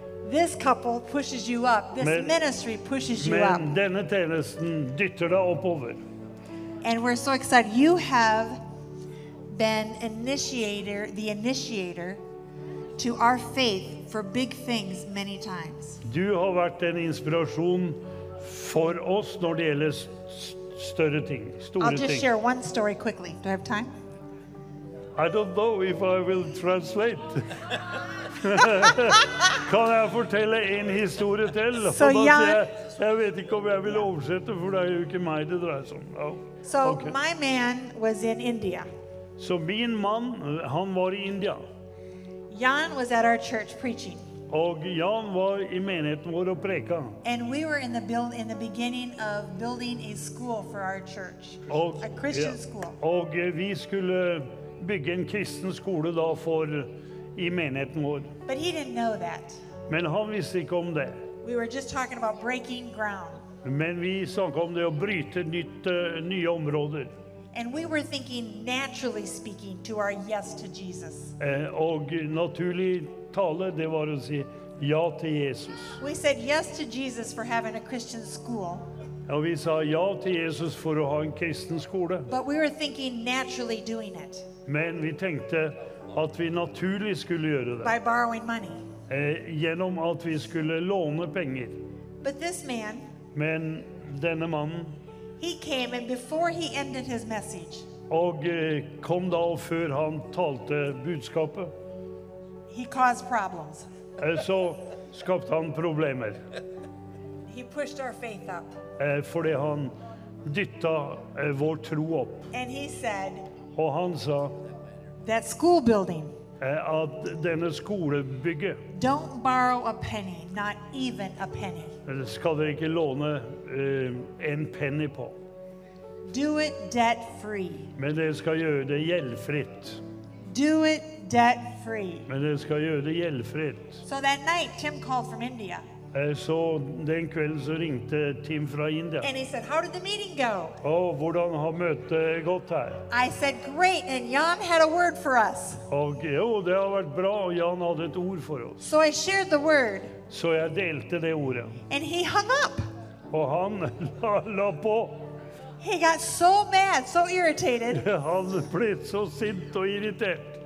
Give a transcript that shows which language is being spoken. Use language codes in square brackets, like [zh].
[en] This couple pushes you up. This ministry pushes you up. [no] Men denne tjenesten dytter deg oppover. [en] And we're so excited. You have been the initiator to our faith for big things many times. Du har vært en inspiration for oss når det gjelder større ting, store ting. I'll just share one story quickly. Do I have time? I don't know if I will translate. [no] Kan jeg fortelle en historie til? [en] So Jan, [no] jeg vet ikke om jeg vil oversette, for det jo ikke meg det dreier seg om. [en] So okay. My man was in India. [no] So min mann, han var i India. [en] Jan was at our church preaching. [no] Og Jan var i menigheten vår og preka. [en] And we were in the beginning of building a school for our church, a Christian school. [no] Og vi skulle bygge en kristen skole da for i menigheten vår. [en] But he didn't know that. [no] Men han visste ikke om det. [en] We were just talking about breaking ground. [no] Men vi snakket om det å bryte nye områder. [en] And we were thinking, naturally speaking, to our yes to Jesus. [no] Og naturlig tale, det var å si ja til Jesus. [en] We said yes to Jesus for having a Christian school. [no] Og vi sa ja til Jesus for å ha en kristen skole. [en] But we were thinking naturally doing it. [no] Men vi tenkte at vi naturlig skulle gjøre det. [en] By borrowing money. [no] Gjennom at vi skulle låne penger. [en] But this man. [no] Men denne mannen. [en] He came, and before he ended his message, [no] og kom da og før han talte budskapet, [en] he caused problems. [no] Så skapte han problemer. [en] He pushed our faith up. [no] Fordi han dytta vår tro opp. [en] And he said, [no] og han sa, [en] that school building, [no] at denne skolebygget, [en] don't borrow a penny, not even a penny. [no] Skal dere ikke låne en penny på. [en] Do it debt free. [no] Men dere skal gjøre det gjeldfritt. [en] Do it debt free. [no] Men dere skal gjøre det gjeldfritt. [en] So that night, Tim called from India. [no] Så den kvelden så ringte Tim fra India. [en] And he said, how did the meeting go? [no] Og hvordan har møtet gått her? [en] I said, great, and Jan had a word for us. [no] Og jo, det har vært bra, og Jan hadde et ord for oss. [en] So I shared the word. [no] Så jeg delte det ordet. [en] And he hung up. [no] Og han la på. [en] He got so mad, so irritated. [no] Han ble så sint og irritert.